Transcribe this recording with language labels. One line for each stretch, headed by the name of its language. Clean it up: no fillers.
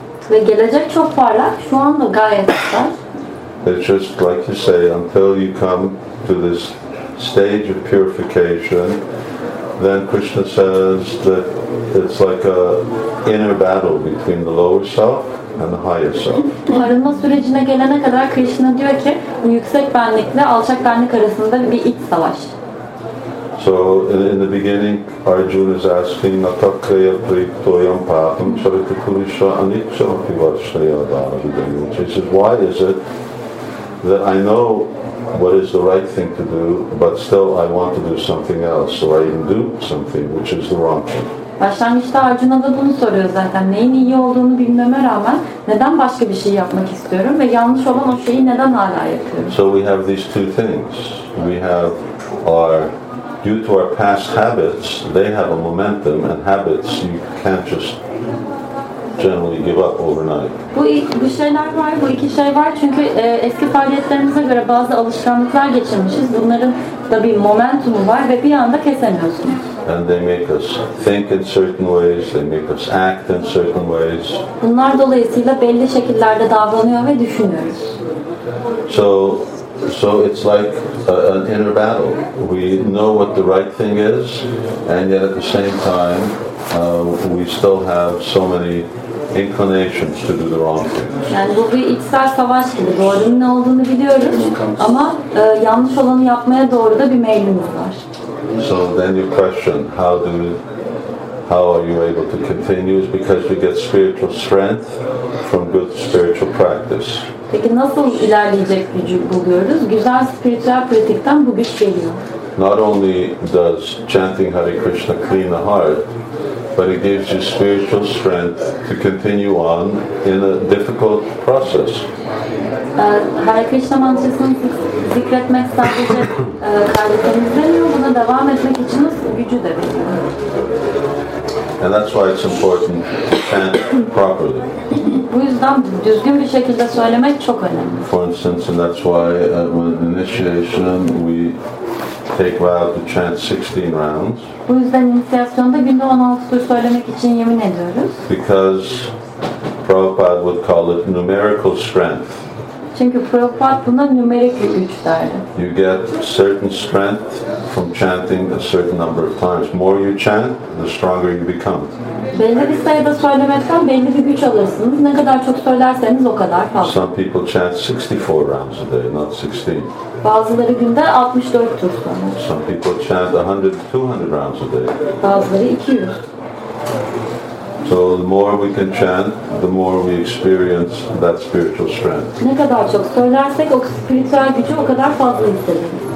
Turkish: Ve gelecek çok parlak. Şu anda gayet güzel.
English: It's just like you say, until you come to this stage of purification, then Krishna says that it's like a inner battle between the lower self and the higher self.
Turkish: Arınma sürecine gelene kadar Krishna diyor ki yüksek benlikle alçak benlik arasında bir iç savaş.
English: So in the beginning, Arjuna is asking, "Natakaya priktoyam papam charitapurusha anicham pivarshaya dharavidam." He says, "Why is it that I know what is the right thing to do, but still I want to do something else, so I even do something which is the wrong thing?"
Turkish: Başlangıçta Arjuna da bunu soruyor zaten. Neyin iyi olduğunu bilmeme rağmen neden başka bir şey yapmak istiyorum ve yanlış olan o şeyi neden hala yapıyorum?
English: So we have these two things. We have our, due to our past habits, they have a momentum, and habits you can't just generally give up overnight.
Turkish: Bu şeyler var, bu iki şey var. Çünkü eski faaliyetlerimize göre bazı alışkanlıklar geçirmişiz. Bunların da bir momentumu var ve bir anda kesemiyorsunuz.
English: And they make us think in certain ways, they make us act in certain ways.
Turkish: Bunlar dolayısıyla belli şekillerde davranıyor ve düşünüyoruz.
English: So it's like an inner battle. We know what the right thing is, and yet at the same time, we still have so many inclinations to do the wrong thing.
Turkish: Yani bu bir içsel savaş gibi. Doğrunun ne olduğunu biliyoruz ama yanlış olanı yapmaya doğru da bir meylimiz var.
English: So then your question, how are you able to continue? Is because you get spiritual strength from good spiritual practice.
Turkish: Peki nasıl ilerleyecek gücü buluyoruz? Güzel spiritüel pratikten bu güç geliyor.
English: Not only does chanting Hare Krishna clean the heart, but it gives you spiritual strength to continue on in a difficult process.
Turkish: Hare Krishna mantrasını zikretmek sadece kalbini temizlemiyor, buna devam etmek için gücü de veriyor.
English: And that's why it's important to chant properly.
Turkish: Bu yüzden düzgün bir şekilde söylemek çok önemli.
English: For instance, and that's why with initiation we take vow to chant 16 rounds.
Turkish: Bu yüzden inisiyasyonda günde 16 tur söylemek için yemin ediyoruz.
English: Because Prabhupada would call it numerical strength.
Turkish: Çünkü Prabhupada buna numerik güç derdi.
English: You get certain strength from chanting a certain number of times. More you chant, the stronger you become.
Turkish: Belli bir sayıda söylemekten belli bir güç alırsınız. Ne kadar çok söylerseniz o kadar fazla.
English: Some people chant 64 rounds a day, not 16.
Turkish: Bazıları günde 64 tur söyler.
English: Some people chant 100, 200 rounds a day.
Turkish: Bazıları 200.
English: So the more we can chant, the more we experience that spiritual strength.
Turkish: Ne kadar çok söylersek o spiritüel gücü o kadar fazla hissederiz.